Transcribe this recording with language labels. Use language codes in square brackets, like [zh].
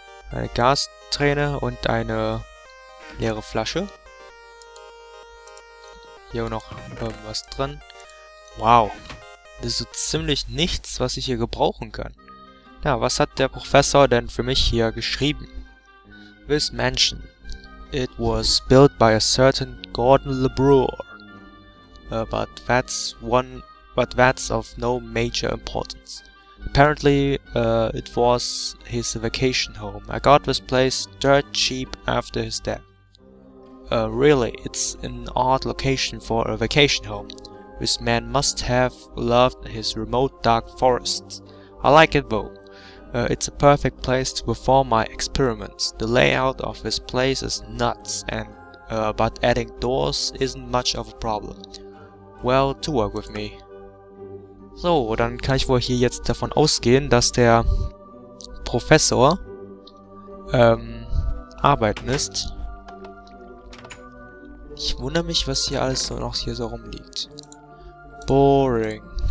[de] Eine Gasträne und eine leere Flasche. Hier auch noch was drin. Wow. Das ist so ziemlich nichts, was ich hier gebrauchen kann. Na, ja, was hat der Professor denn für mich hier geschrieben? [en] This mansion. It was built by a certain Gordon LeBrewer, but that's of no major importance. Apparently, it was his vacation home. I got this place dirt cheap after his death. Really, it's an odd location for a vacation home. This man must have loved his remote dark forests. I like it though. It's a perfect place to perform my experiments. The layout of this place is nuts, and but adding doors isn't much of a problem. Well, to work with me. [de] So, dann kann ich wohl hier jetzt davon ausgehen, dass der Professor arbeiten ist. Ich wundere mich, was hier alles noch hier so rumliegt. [en] Boring.